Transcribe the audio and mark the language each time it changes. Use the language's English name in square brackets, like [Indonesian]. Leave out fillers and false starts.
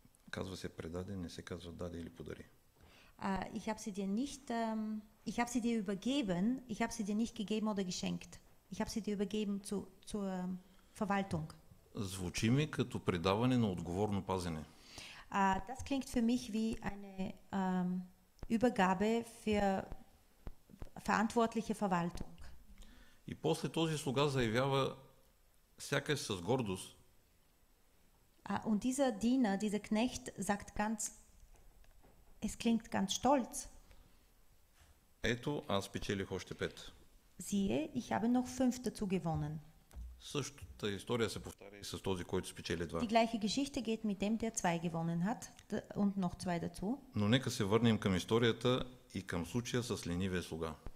[Bulgarian] Казва се предаде, не се казва даде или подари. [German] Ich habe sie dir nicht, ich habe sie dir übergeben, ich habe sie dir nicht gegeben oder geschenkt. Ich habe sie dir übergeben zur Verwaltung. [Bulgarian] Звучи ми като предаване на отговорно пазене. [German] Das klingt für mich wie eine Übergabe für verantwortliche Verwaltung. [Bulgarian] И после този слуга заявява сякаш с гордост. [German] Und dieser Diener, dieser Knecht sagt ganz, es klingt ganz stolz. [Bulgarian] Ето, аз печелих още 5. [German] Siehe, ich habe noch 5 dazu gewonnen. [Bulgarian] Същата история се повтаря и с този, който спечели 2. [German] Die gleiche Geschichte geht mit dem, der 2 gewonnen hat und noch 2 dazu. [Bulgarian] Но нека се върнем към историята и към случая с ленивия слуга.